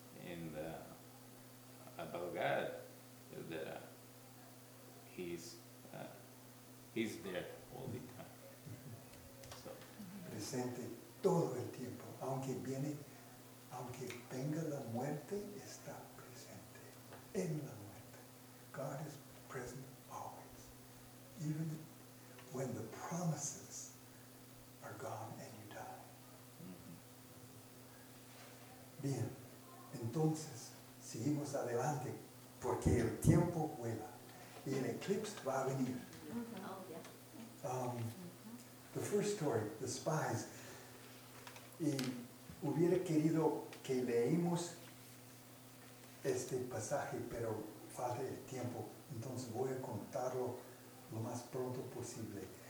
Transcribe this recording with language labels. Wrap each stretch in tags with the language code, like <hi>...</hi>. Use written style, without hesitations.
<en>And about God, that he's there all the time. So.</en> <es>Presente todo el tiempo, aunque viene, aunque venga la muerte, está presente en la muerte.</es> <en>God is present always, even when the promises are gone and you die.</en> <es>Bien. Entonces, seguimos adelante, porque el tiempo vuela, y el eclipse va a venir.</es> <en>The first story, the spies,</en> <es>y hubiera querido que leímos este pasaje, pero falta el tiempo, entonces voy a contarlo lo más pronto posible.</es>